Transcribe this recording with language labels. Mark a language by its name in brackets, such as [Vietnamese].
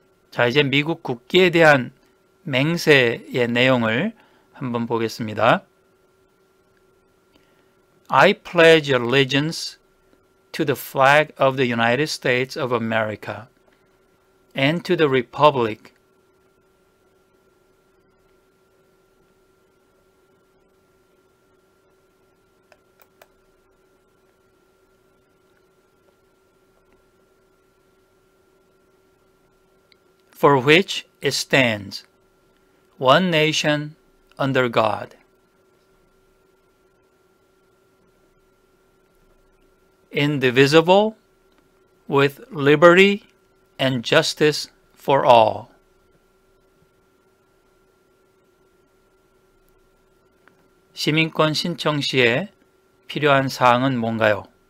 [Korean] 자, 이제 미국 국기에 대한 맹세의 내용을 한번 보겠습니다. [English] I pledge allegiance to the flag of the United States of America and to the Republic for which it stands, one nation under God. 인디비저블 위드 리버티 앤 저스티스 포 올. [Korean] 시민권 신청 시에 필요한 사항은 뭔가요?